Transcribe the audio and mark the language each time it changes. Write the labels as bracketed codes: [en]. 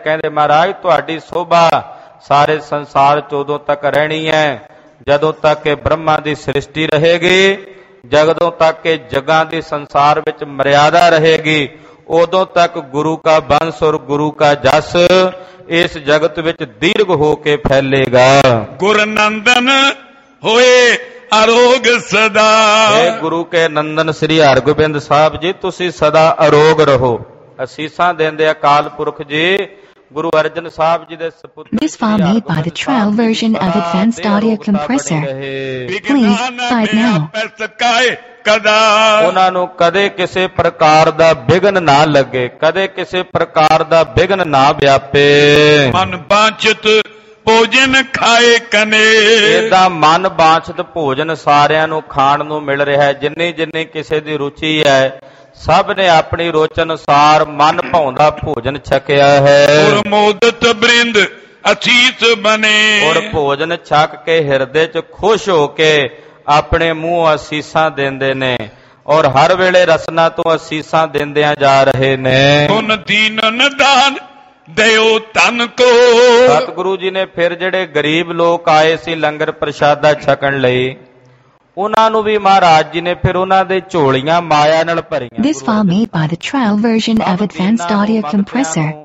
[pa] ਕਹਿੰਦੇ ਮਹਾਰਾਜ ਤੁਹਾਡੀ ਸੋਭਾ ਸਾਰੇ ਸੰਸਾਰ ਚ ਉਦੋਂ ਤੱਕ ਰਹਿਣੀ ਹੈ ਜਦੋਂ ਤੱਕ ਇਹ ਬ੍ਰਹਮਾ ਦੀ ਸ੍ਰਿਸ਼ਟੀ ਰਹੇਗੀ, ਜਦੋਂ ਤੱਕ ਇਹ ਜਗਾਂ ਦੀ ਸੰਸਾਰ ਵਿੱਚ ਮਰਿਆਦਾ ਰਹੇਗੀ, ਉਦੋਂ ਤੱਕ ਗੁਰੂ ਕਾ ਬੰਸ ਔਰ ਗੁਰੂ ਕਾ ਜਸ ਇਸ ਜਗਤ ਵਿੱਚ ਦੀਰਘ ਹੋ ਕੇ ਫੈਲੇਗਾ। [bra] ਗੁਰਨੰਦਨ ਹੋਏ ਅਰੋਗ ਸਦਾ, [pa] ਗੁਰੂ ਕੇ ਨੰਦਨ ਸ੍ਰੀ ਹਰਗੋਬਿੰਦ ਸਾਹਿਬ ਜੀ, ਤੁਸੀਂ ਸਦਾ ਅਰੋਗ ਰਹੋ। ਅਸੀਸਾਂ ਦਿੰਦੇ ਅਕਾਲ ਪੁਰਖ ਜੀ, ਗੁਰੂ ਅਰਜਨ ਸਾਹਿਬ ਜੀ ਦੇ ਸਪੁੱਤਰ। [en] This file made by the trial version of Advanced Audio Compressor. Please, buy it now. [pa] ਉਹਨਾਂ ਨੂੰ ਕਦੇ ਕਿਸੇ ਪ੍ਰਕਾਰ ਦਾ ਵਿਘਨ ਨਾ ਲੱਗੇ, ਕਦੇ ਕਿਸੇ ਪ੍ਰਕਾਰ ਦਾ ਵਿਘਨ ਨਾ ਵਿਆਪੇ। [bra] ਮਨ ਬਾਂਛਤ ਭੋਜਨ ਖਾਏ ਕਨੇ, [pa] ਇਹਦਾ ਮਨ ਬਾਂਛਤ ਭੋਜਨ ਸਾਰਿਆਂ ਨੂੰ ਖਾਣ ਨੂੰ ਮਿਲ ਰਿਹਾ। ਜਿੰਨੀ ਜਿੰਨੀ ਕਿਸੇ ਦੀ ਰੁਚੀ ਹੈ, ਸਭ ਨੇ ਆਪਣੀ ਰੁਚ ਅਨੁਸਾਰ ਮਨ ਭਾਉਂਦਾ ਭੋਜਨ ਛਕਿਆ ਹੈ। [bra] ਗੁਰਮੋਦਤ ਬ੍ਰਿੰਦ ਅਸੀਸ ਬਣੇ, [pa] ਔਰ ਭੋਜਨ ਛਕ ਕੇ ਹਿਰਦੇ ਚ ਖੁਸ਼ ਹੋ ਕੇ ਆਪਣੇ ਮੂੰਹ ਅਸੀਸਾਂ ਦਿੰਦੇ ਨੇ, ਔਰ ਹਰ ਵੇਲੇ ਰਸਨਾ ਤੋਂ ਅਸੀਸਾਂ ਦਿੰਦੇ ਜਾ ਰਹੇ ਨੇ। [bra] ਹੁਣ ਦੀਨ ਦਾਨ ਦਿਓ ਤਨ ਕੋ, [pa] ਸਤਿਗੁਰੂ ਜੀ ਨੇ ਫਿਰ ਜਿਹੜੇ ਗਰੀਬ ਲੋਕ ਆਏ ਸੀ ਲੰਗਰ ਪ੍ਰਸ਼ਾਦਾ ਛਕਣ ਲਈ, ਉਹਨਾਂ ਨੂੰ ਵੀ ਮਹਾਰਾਜ ਜੀ ਨੇ ਫਿਰ ਉਹਨਾਂ ਦੇ ਝੋਲੀਆਂ ਮਾਇਆ ਨਾਲ ਭਰੀਆਂ। [en] This file made by the trial version of Advanced Audio Compressor.